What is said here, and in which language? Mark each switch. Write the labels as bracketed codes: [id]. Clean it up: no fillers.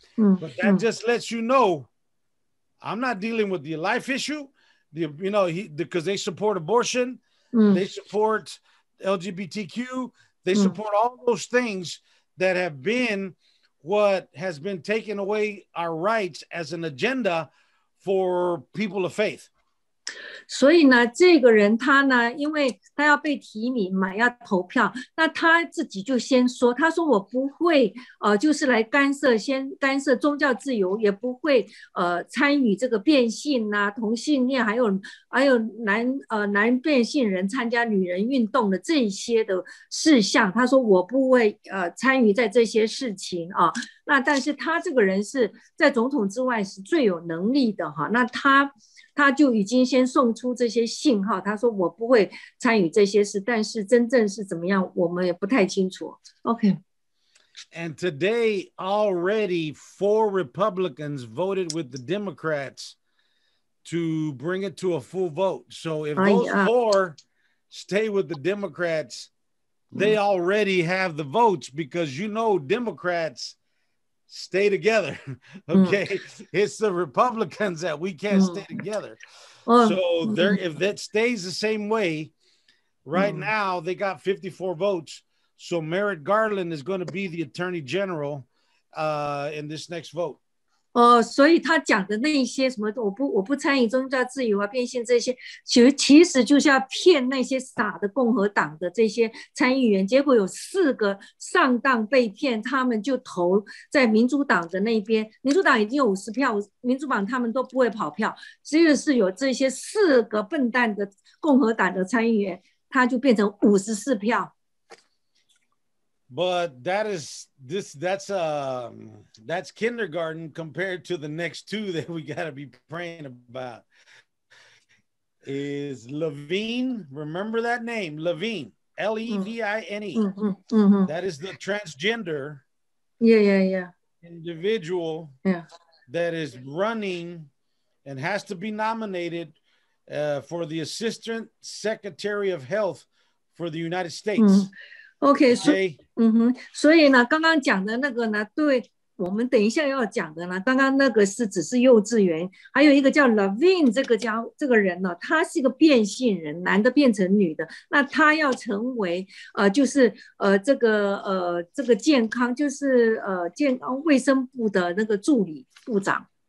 [en] But that just lets you know, I'm not dealing with the life issue, the, you know, because they support abortion, they support LGBTQ,They support all those things that have been what has been taken away our rights as an agenda for people of faith. [zh] 所以呢，这个人他呢，因为他要被提名嘛，要投票，那他自己就先说，他说我不会就是来干涉，先干涉宗教自由，也不会参与这个变性啊、同性恋，还有男变性人参加女人运动的这些的事项，他说我不会参与在这些事情啊。那但是他这个人是在总统之外是最有能力的哈，那他就已经先送出这些信号，他说我不会参与这些事，但是真正是怎么样我们也不太清楚。 [en] OK. And today already four Republicans voted with the Democrats to bring it to a full vote. So if those four stay with the Democrats, they already have the votes because you know Democrats stay together. Okay. It's the Republicans that we can't stay together. So there, if that stays the same way right now, they got 54 votes. So Merrick Garland is going to be the attorney general, in this next vote. [zh] 所以他讲的那些什么我不参与宗教自由啊、变性这些，其实就是要骗那些傻的共和党的这些参议员。结果有四个上当被骗，他们就投在民主党的那边。民主党已经有50票，民主党他们都不会跑票，只有是有这些四个笨蛋的共和党的参议员，他就变成54票。 [en] But that is that's kindergarten compared to the next two that we got to be praying about. Is Levine, remember that name, Levine, L-E-V-I-N-E. That is the transgender individual that is running and has to be nominated for the Assistant Secretary of Health for the United States. [zh] OK, 所以呢，刚刚讲的那个呢，对我们等一下要讲的呢，刚刚那个是只是幼稚园，还有一个叫 Levine 这个人呢，他是一个变性人，男的变成女的，那他要成为就是这个健康，就是健康卫生部的那个助理部长。